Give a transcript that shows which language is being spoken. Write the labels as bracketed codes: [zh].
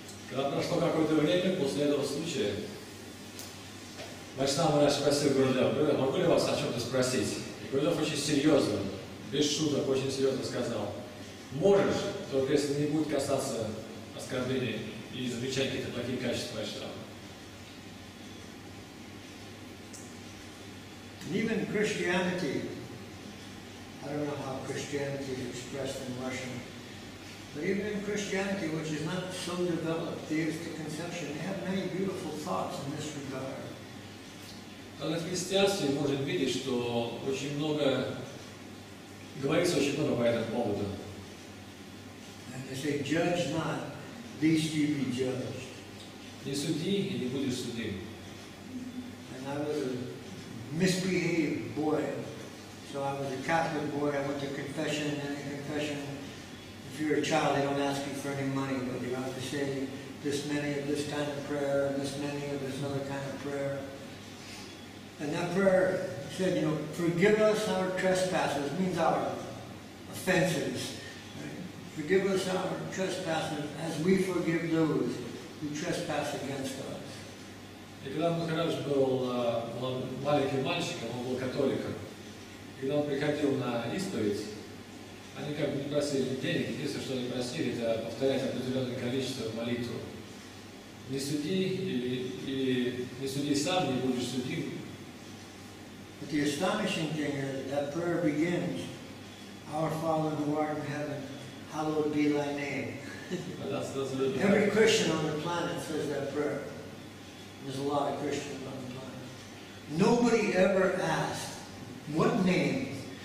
[ru] Когда прошло какое-то время после этого случая, Вайшнав меня спросил Гурудев, могу ли вас о чем-то спросить? И Гурудев очень серьезно, без шуток, очень серьезно сказал, можешь, только если не будет касаться оскорбления и замечать какие-то плохие качества Вайшнава. [en] Even Christianity, I don't know how Christianity is expressed in Russian, but even in Christianity, which is not so developed, theistic conception, they have many beautiful thoughts in this regard. [ru] Но в христианстве можем видеть, что очень много говорится очень много по этому поводу. [en] And they say, judge not, lest ye be judged. [ru] Не суди, и не будешь судим. [en] And I was a misbehaved boy. So I was a Catholic boy, I went to confession, and in confession, if you're a child, they don't ask you for any money, but you have to say this many of this kind of prayer, and this many of this other kind of prayer. And that prayer said, you know, forgive us our trespasses, means our offenses. Right? Forgive us our trespasses as we forgive those who trespass against us. [ru] И когда Махарадж был маленьким мальчиком, он был католиком, когда он приходил на исповедь, они как бы не просили денег, единственное, что они просили, это повторять определенное количество молитв. Не суди, или не суди сам, не будешь судим. [en] But the astonishing thing is that prayer begins, Our Father who art in heaven, hallowed be thy name. Every Christian on the planet says that prayer. There's a lot of Christians on the planet. Nobody ever asked, what name?